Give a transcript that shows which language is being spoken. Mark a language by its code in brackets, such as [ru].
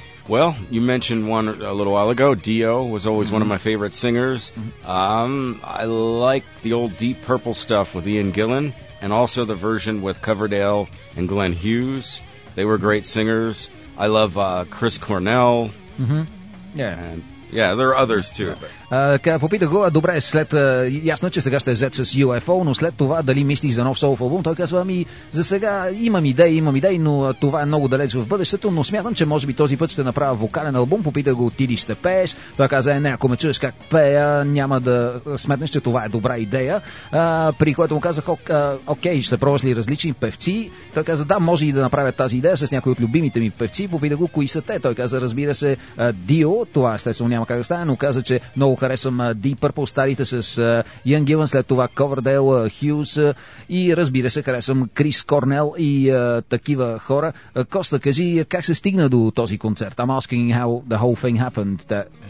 [en] Well, you mentioned one a little while ago. Dio was always mm-hmm. one of my favorite singers. Mm-hmm. I like the old Deep Purple stuff with Ian Gillan, and also the version with Coverdale and Glenn Hughes. They were great singers. I love Chris Cornell. Mm-hmm. Yeah. And yeah, there are others too. [bg] Попита го, добре, след ясно, че сега ще взет с UFO, но след това дали мислиш за нов солф албум, той казва, ами за сега имам идеи, но това е много далеч в бъдещето, но смятам, че може би този път ще направя вокален албум. Попита го, ти ли ще пееш? Той каза, не, ако ме чуеш как пея, няма да сметнеш, че това е добра идея. При което му казах, окей, ще пробваш ли различни певци? Той каза, да, може и да направя тази идея с някои от любимите ми певци. Попита го, кои са те? Той каза, разбира се, Дио, това естествено няма как да стане, но каза, че много харесвам Deep Purple, старите с Ian Gillan, след това Coverdale, Hughes и разбира се харесвам Крис Корнел и такива хора. Коста, кажи как се стигна до този концерт? [en] I'm asking how the whole thing happened.